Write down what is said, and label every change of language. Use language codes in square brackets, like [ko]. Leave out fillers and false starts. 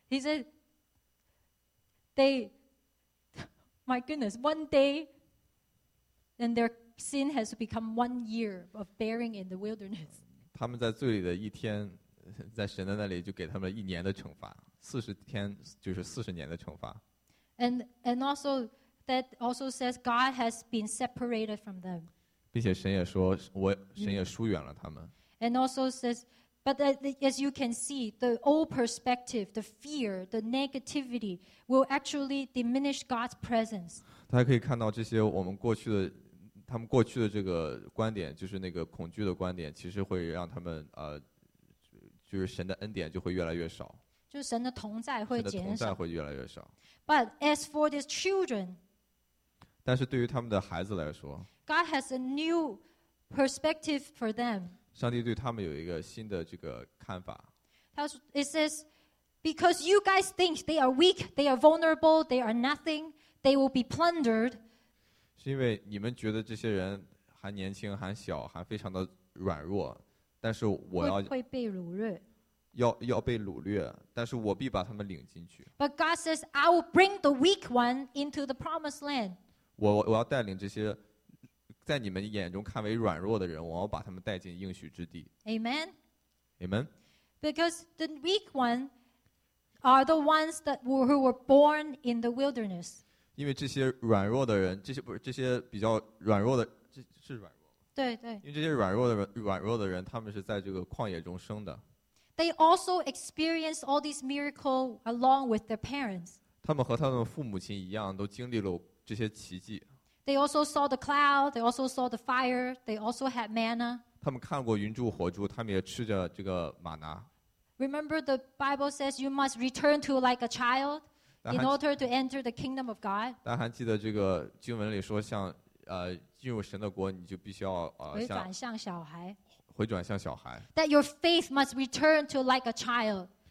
[en] He said, my goodness, one day, and their sin has become 1 year of bearing in the wilderness. [zh] 他们在罪里的一天，在神的那里就给他们一年的惩罚，四十天就是四十年的惩罚。 [en] And also that also says God has been separated from them. [zh] 并且神也说，神也疏远了他们。 [en] And also says. But as you can see, the old perspective, the fear, the negativity will actually diminish God's presence. [zh] 大家可以看到这些我们过去的，他们过去的这个观点，就是那个恐惧的观点，其实会让他们就是神的恩典就会越来越少，就是神的同在会减少，神的同在会越来越少。 [en] But as for these children, [zh] 但是对于他们的孩子来说， [en] God has a new perspective for them. [zh] 上帝对他们有一个新的这个看法。他说 [en] It says, because you guys think they are weak, they are vulnerable, they are nothing, they will be plundered. [zh] 是因为你们觉得这些人还年轻还小还非常的软弱，但是我要会被掳掠，要被掳掠，但是我必把他们领进去。 [en] But God says, I will bring the weak one into the promised land. [zh] 我要带领这些在你们眼中看为软弱的人，我要把他们带进应许之地。 [en] Amen. Amen. Because the weak ones are the ones that who were born in the wilderness. [zh] 因为这些软弱的人，这些比较软弱的，是软弱。对对。因为这些软弱的人，他们是在这个旷野中生的。 [en] They also experienced all these miracles along with their parents. [zh] 他们和他们父母亲一样，都经历了这些奇迹。 [en] They also saw the cloud. They also saw the fire. They also had manna. [zh] 他们看过云柱火柱，他们也吃着这个玛拿。 [en] Remember, the Bible says you must return to like a child in order to enter the kingdom of God. [zh] 大家还记得这个经文里说，像进入神的国，你就必须要回转向小孩。 [en] That your faith must return to like a child.